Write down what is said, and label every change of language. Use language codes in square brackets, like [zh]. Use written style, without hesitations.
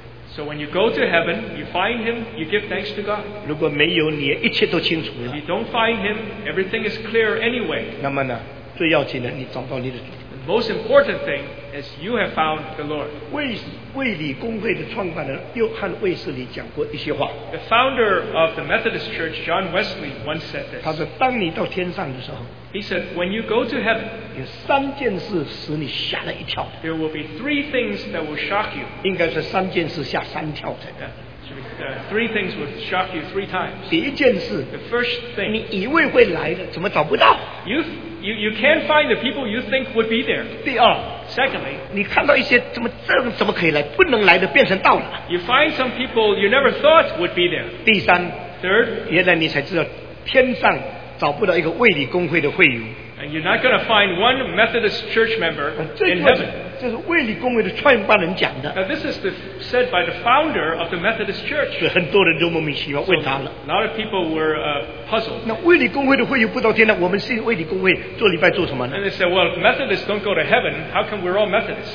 [en] So when you go to heaven, you find him, you give thanks to God. [zh] 如果没有，你一切都清楚了。 [en] If you don't find him, everything is clear anyway. [zh] 那么呢，最要紧的，你找到你的主。 [en] The most important thing is you have found the Lord. [zh] 卫理公会的创办人约翰卫斯理讲过一些话。 [en] The founder of the Methodist Church, John Wesley, once said this. [zh] 他说，当你到天上的时候。 [en] He said, when you go to heaven, [zh] 有三件事使你吓了一跳。 [en] There will be three things that will shock you. [zh] 应该是三件事吓三跳才对。 [en] Three things will shock you three times. [zh] 第一件事。 [en] The first thing. [zh] 你以为会来的，怎么找不到？ [en] You can't find the people you think would be there. [zh] 第二。 [en] Secondly, [zh] 你看到一些怎么可以来，不能来的变成到了。 [en] You find some people you never thought would be there. [zh] 第三。 [en] Third. [zh] 原来你才知道，天上找不到一个卫理公会的会员。 [en] And you're not going to find one Methodist church member in heaven. Now this is said by the founder of the Methodist church. So a lot of people were puzzled. And they said, well, if Methodists don't go to heaven, how come we're all Methodists?